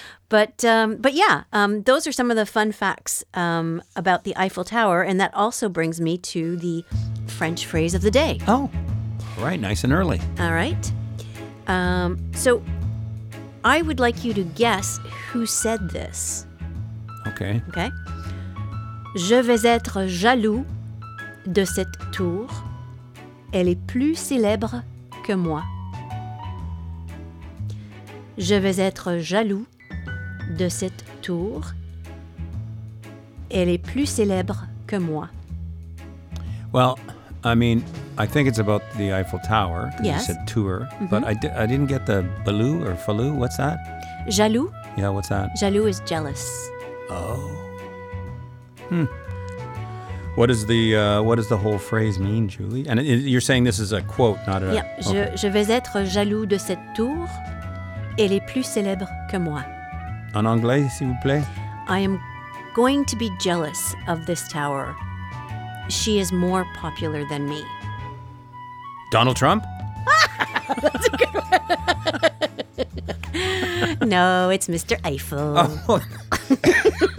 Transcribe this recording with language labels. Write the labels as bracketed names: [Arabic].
[English] But those are some of the fun facts about the Eiffel Tower, and that also brings me to the French phrase of the day. Oh, all right. Nice and early. All right. So I would like you to guess who said this. Okay. Okay. [French] Je vais être jaloux de cette tour. Elle est plus célèbre que moi. Je vais être jaloux de cette tour. Elle est plus célèbre que moi. [English] Well, I mean, I think it's about the Eiffel Tower. Yes. You said tour, mm-hmm. But I didn't get the balou or falou. What's that? [French] Jaloux. [English] Yeah, what's that? Jaloux is jealous. Oh. What is the whole phrase mean, Julie? And you're saying this is a quote, not a... Yeah. Okay. [French] Je vais être jaloux de cette tour. Elle est plus célèbre que moi. En anglais, s'il vous plaît. [English] I am going to be jealous of this tower. She is more popular than me. Donald Trump? That's a good one. No, it's Mr. Eiffel. Oh.